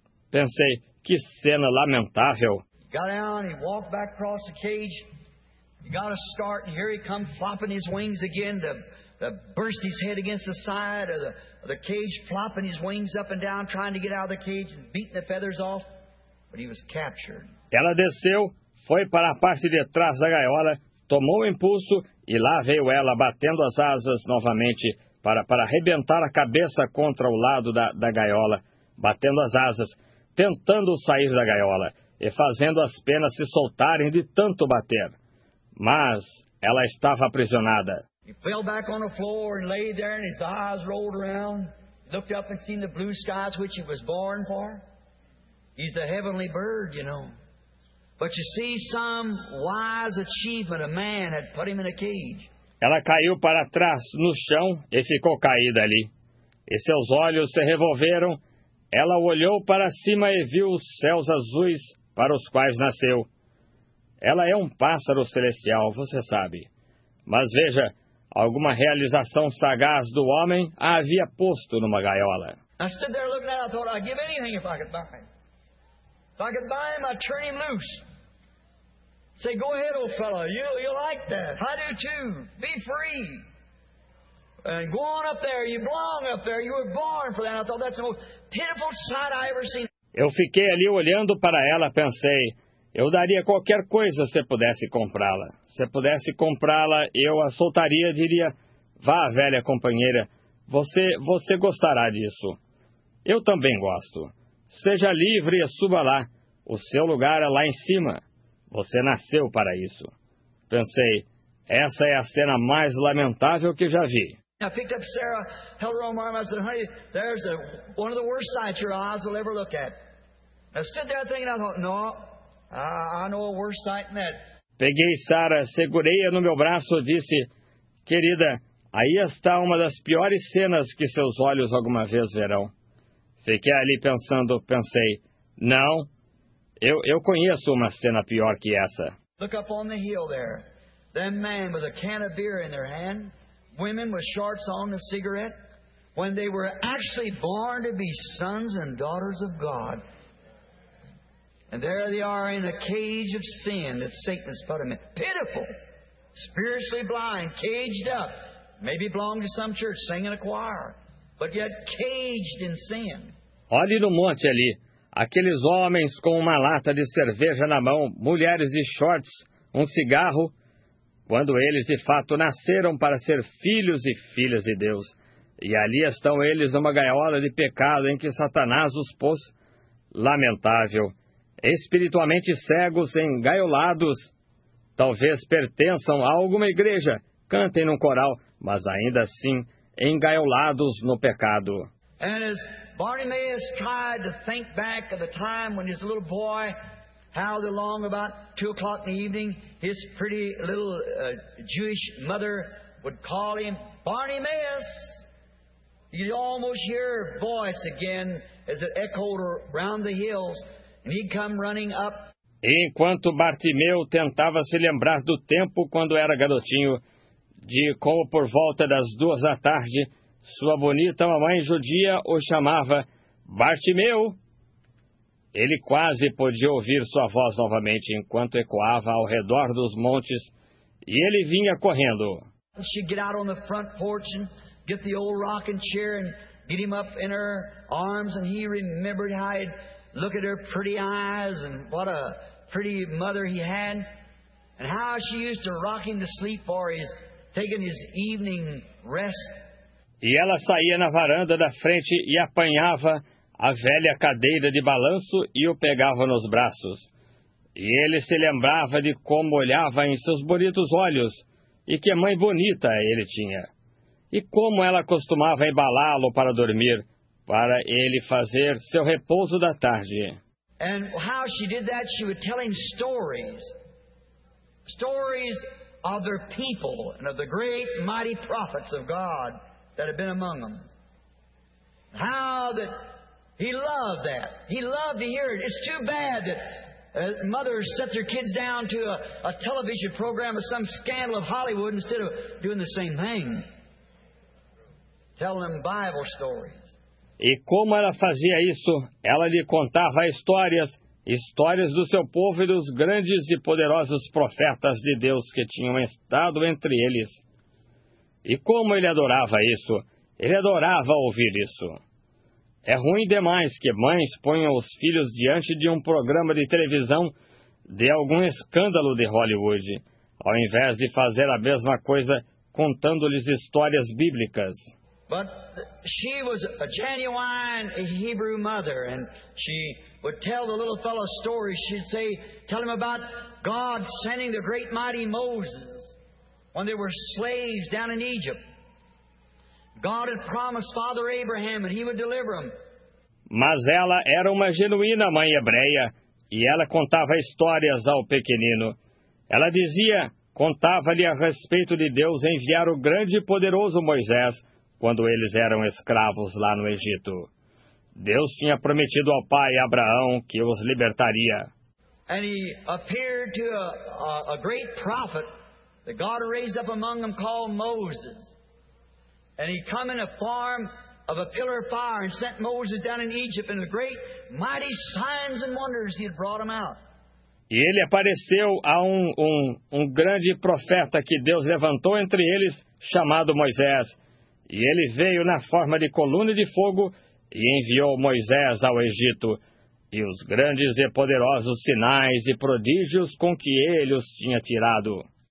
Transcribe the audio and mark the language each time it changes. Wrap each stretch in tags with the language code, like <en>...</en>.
<pt>Pensei, que cena lamentável.</pt> <en>Got down, he walked back across the cage. You got to start, and here he comes flopping his wings again to burst his head against the side of the cage, flopping his wings up and down, trying to get out of the cage and beating the feathers off, but he was captured.</en> <pt>Ela desceu, foi para a parte de trás da gaiola, tomou o impulso, e lá veio ela batendo as asas novamente para arrebentar a cabeça contra o lado da gaiola, batendo as asas, tentando sair da gaiola e fazendo as penas se soltarem de tanto bater. Mas ela estava aprisionada.</pt> <en>He fell back on the floor and lay there, and his eyes rolled around. He looked up and seen the blue skies which he was born for. He's a heavenly bird, you know. But you see, some wise achievement a man had put him in a cage.</en> <pt>Ela caiu para trás no chão e ficou caída ali. E seus olhos se revolveram. Ela olhou para cima e viu os céus azuis para os quais nasceu. Ela é um pássaro celestial, você sabe. Mas veja, alguma realização sagaz do homem a havia posto numa gaiola.</pt> <en>I stood there looking at it, I thought, I'd give anything if I could buy him. If I could buy him, I'd turn him loose. Say, go ahead, old fellow, you like that. I do too. Be free. And go on up there, you belong up there, you were born for that. I thought, that's the most pitiful sight I ever seen.</en> <pt>Eu fiquei ali olhando para ela, pensei, eu daria qualquer coisa se pudesse comprá-la. Se pudesse comprá-la, eu a soltaria e diria, vá, velha companheira, você gostará disso. Eu também gosto. Seja livre e suba lá. O seu lugar é lá em cima. Você nasceu para isso. Pensei, essa é a cena mais lamentável que já vi.</pt> <en>I picked up Sarah, held her on my arm, I said, honey, there's one of the worst sights your eyes will ever look at. I stood there thinking, I thought, no. I know a worse sight than that.</en> <pt>Peguei Sara, segurei-a no meu braço e disse, querida, aí está uma das piores cenas que seus olhos alguma vez verão. Fiquei ali pensando, pensei, não, eu conheço uma cena pior que essa.</pt> <en>Look up on the hill there. That man with a can of beer in their hand, women with shorts on the cigarette, when they were actually born to be sons and daughters of God. And there they are in a cage of sin that Satan has put them in. Pitiful. spiritually blind, caged up, maybe belong to some church, sing in a choir, but yet caged in sin.</en> <pt>Olhe no monte ali, aqueles homens com uma lata de cerveja na mão, mulheres de shorts, um cigarro, quando eles de fato nasceram para ser filhos e filhas de Deus. E ali estão eles numa gaiola de pecado em que Satanás os pôs. Lamentável. Espiritualmente cegos, engaiolados. Talvez pertençam a alguma igreja, cantem num coral, mas ainda assim, engaiolados no pecado.</pt> <en>And as Bartimaeus tried to think back of the time when his little boy howled along about 2 o'clock in the evening, his pretty little Jewish mother would call him, Bartimaeus! You'd almost hear her voice again as it echoed around the hills, and he'd come running up.</en> <pt>Enquanto Bartimeu tentava se lembrar do tempo quando era garotinho, de como por volta das 2 da tarde, sua bonita mamãe judia o chamava, Bartimeu! Ele quase podia ouvir sua voz novamente enquanto ecoava ao redor dos montes, e ele vinha correndo.</pt> <en>She'd get out on the front porch and get the old rocking chair and get him up in her arms, and he remembered how he'd look at her pretty eyes and what a pretty mother he had, and how she used to rock him to sleep for his taking his evening rest.</en> <pt>E ela saía na varanda da frente e apanhava a velha cadeira de balanço e o pegava nos braços. E ele se lembrava de como olhava em seus bonitos olhos e que mãe bonita ele tinha. E como ela costumava embalá-lo para dormir, para ele fazer seu repouso da tarde.</pt> <en>And how she did that, she would tell him stories. Stories of their people and of the great mighty prophets of God that had been among them. How that he loved that. He loved to hear it. It's too bad that mothers set their kids down to a television program of some scandal of Hollywood instead of doing the same thing. Tell them Bible stories.</en> <pt>E como ela fazia isso, ela lhe contava histórias do seu povo e dos grandes e poderosos profetas de Deus que tinham estado entre eles. E como ele adorava isso, ele adorava ouvir isso. É ruim demais que mães ponham os filhos diante de um programa de televisão de algum escândalo de Hollywood, ao invés de fazer a mesma coisa contando-lhes histórias bíblicas.</pt> <en>But she was a genuine Hebrew mother, and she would tell the little fellow stories. She'd say, tell him about God sending the great mighty Moses when they were slaves down in Egypt. God had promised Father Abraham that he would deliver them.</en> <pt>Mas ela era uma genuína mãe hebreia, e ela contava histórias ao pequenino. Ela dizia, contava-lhe a respeito de Deus enviar o grande e poderoso Moisés, quando eles eram escravos lá no Egito. Deus tinha prometido ao pai Abraão que os libertaria.</pt> <en>And he appeared to a great prophet that God raised up among them called Moses. And he came in a form of a pillar of fire and sent Moses down in Egypt and the great mighty signs and wonders he had brought him out.</en> <pt>E ele apareceu a um grande profeta que Deus levantou entre eles, chamado Moisés. E ele veio na forma de coluna de fogo e enviou Moisés ao Egito, e os grandes e poderosos sinais e prodígios com que ele os tinha tirado.</pt>